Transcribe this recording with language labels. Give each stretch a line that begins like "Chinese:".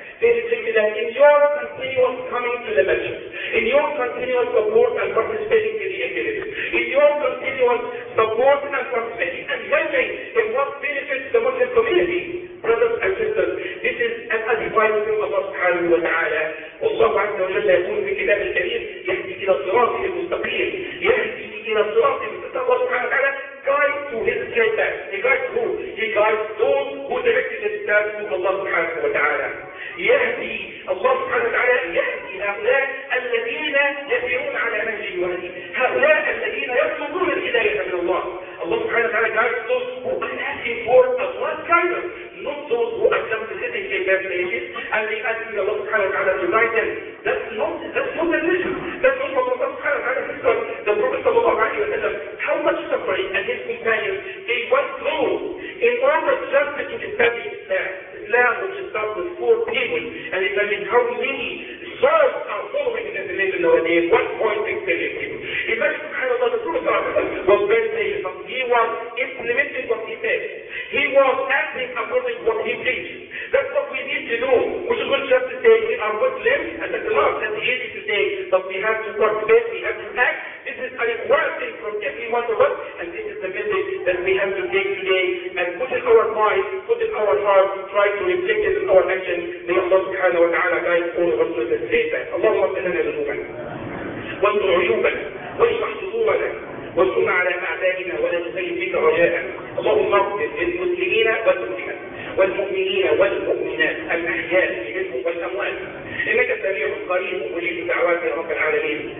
English: They reflect that in your continuous coming to the masjid, in your continuous support and participating in the activities, in your continuous support and participating and helping in what benefits the Muslim community. Brothers and sisters, this is an advice from Allah subhanahu wa ta'ala.
Arabic: Allah subhanahu wa ta'ala يقول في كتاب الكريم يهدي إلى الصراط المستقيم يهدي إلى الصراط المستقيم.
English: الله سبحانه وتعالى guides to his straight path. He guides who? He guides those who directed his path to Allah سبحانه وتعالى.
Arabic: يهدي الله سبحانه وتعالى يهدي هؤلاء الذين يسيرون على منهج الوحي. هؤلاء الذين يطلبون الهداية من الله.
English: Allah سبحانه وتعالى guides those who are asking for Allah's guidance. Not those who are just sitting in their places and they ask Allah subhanahu wa ta'ala to guide them. That's not the mission. That's not what Allah subhanahu wa ta'ala says. The Prophet sallallahu alaihi wasallam, how much suffering and his companions they went through in order just to establish Islam, which is done with 4 people. And imagine how many souls are following in this religion nowadays, 1.6 billion people. Imagine subhanAllah, the Prophet was very patient. He was implementing what he said. He was acting according to what he preached. That's what we need to do. We shouldn't just say we are Muslims, and that's enough. That's easy to say, but we have to participate, we have to act. This is a required thing from every one of us, and this is the message that we have to take today and put in our mind, put in our heart, try to reflect it in our action. May Allah subhanahu wa ta'ala guide all of us with the same path. Allahumma salli ala Muhammad.
Arabic: وانظر عيوبنا واشرح صدورنا وصنع على اعدائنا ولا تسلم بك رجاء. اللهم اغفر للمسلمين والمسلمات والمؤمنين والمؤمنات الاحياء منهم والاموات انك سميع قريب مجيب الدعوات يا رب العالمين.